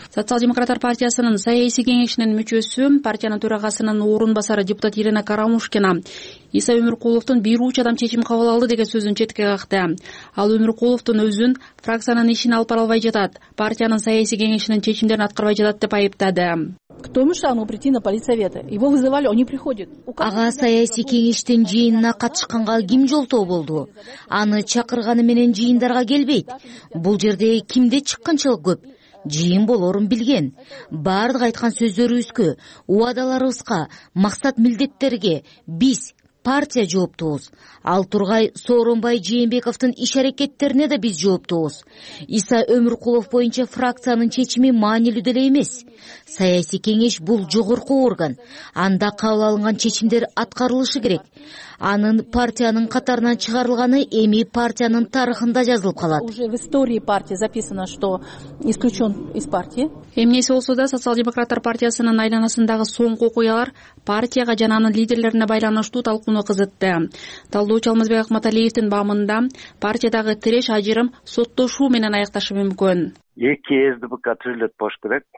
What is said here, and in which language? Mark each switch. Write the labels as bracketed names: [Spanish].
[Kyrgyz] Социал демократтар партиясынын саясий кеңешинин мүчөсү, партиянын төрагасынын орун басары депутат Ирина Карамушкина Иса Өмүркуловдун бир ууч адам чечим кабыл алды деген сөзүн четке какты. Ал Өмүркуловдун өзүн фракциянын ишин алып бара албай жатат, партиянын саясий кеңешинин чечимдерин аткарбай жатат деп айыптады. [Russian] Кто мешал ему прийти на политсоветы? Его вызывали, он не приходит. [Kyrgyz] Ага, саяси кеңештин жыйынына катышканга ким жолтоо болду? Аны чакырганы менен жыйындарга келбейт. Бул жерде кимде чыккынчылык көп? Жыйын болорун билген. Бардык айткан сөздөрүбүзгө, убадаларыбызга, максат милдеттерге биз партия жооптуубуз. Ал тургай Сооронбай Жээнбековдун иш аракеттерине да биз жооптуубуз. Иса Өмүркулов боюнча фракциянын чечими маанилүү деле эмес. Саясий кеңеш бул жогорку орган. Анда кабыл алынган чечимдер аткарылышы керек. Анын партиянын катарынан чыгарылганы эми партиянын тарыхында жазылып калат. [Russian] Уже в истории партии записано, что исключен из партии. [Kyrgyz] Эмнеси болсо да социал-демократтар партиясынын айланасындагы соңку окуялар партияга жана анын лидерлерине байланыштуу талкууну кызытты. Талдоочу Алмазбек Акматалиевдин баамында партиядагы тиреш ажырым соттошуу менен аякташы мүмкүн. Эки СДПК тирилет болуш керек.